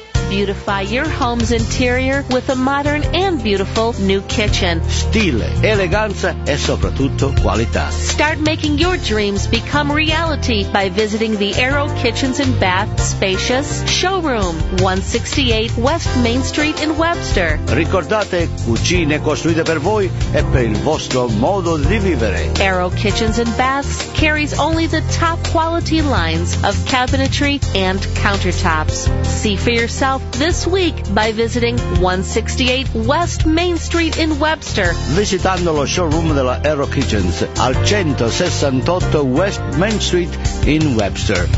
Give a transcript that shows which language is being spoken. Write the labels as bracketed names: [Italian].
[English] Your home's interior with a modern and beautiful new kitchen. [Italian] Stile, eleganza e soprattutto qualità. [English] Start making your dreams become reality by visiting the Arrow Kitchens and Bath spacious showroom, 168 West Main Street in Webster. [Italian] Ricordate, cucine costruite per voi e per il vostro modo di vivere. [English] Arrow Kitchens and Baths carries only the top quality lines of cabinetry and countertops. See for yourself this week by visiting 168 West Main Street in Webster. [Italian] Visitando lo showroom della Arrow Kitchens al 168 West Main Street in Webster.